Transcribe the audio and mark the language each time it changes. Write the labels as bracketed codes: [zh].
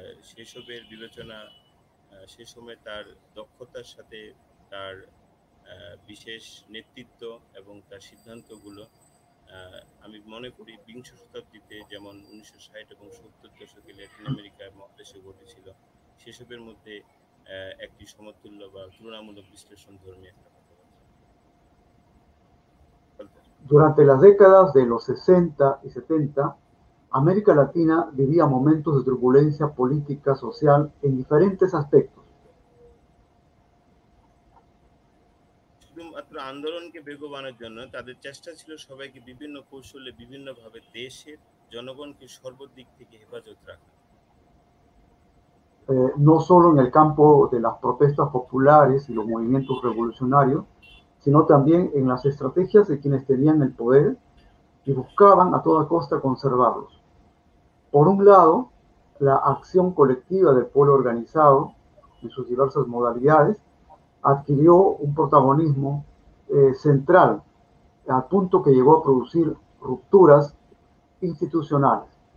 [bn] সেসবের বিবেচনা, সে সময় তার দক্ষতার সাথে তার বিশেষ নেতৃত্ব এবং তার সিদ্ধান্তগুলো আমি মনে করি বিংশ শতাব্দীতে যেমন 1960 এবং 70 দশকে ল্যাটিন আমেরিকায় মহাদেশে ঘটেছিল সেসবের মধ্যে একটি সমতুল্য বা তুলনামূলক বিশ্লেষণ ধর্মী একটা কথা বলছে। [es] Durante las décadas de los 60 y 70, América Latina vivía momentos de turbulencia política, social en diferentes aspectos. [bn] শুধুমাত্র আন্দোলনকে বেগবানের জন্য তাদের চেষ্টা ছিল সবাইকে বিভিন্ন কৌশলে বিভিন্নভাবে দেশের জনগণকে সর্বদিক থেকে হেফাজত রাখা। [es] No solo en el campo de las protestas populares y los movimientos revolucionarios, sino también en las estrategias de quienes tenían el poder y buscaban a toda costa conservarlos. Por un lado, la acción colectiva del pueblo organizado en sus diversas modalidades adquirió un protagonismo central, al punto que llegó a producir rupturas institucionales.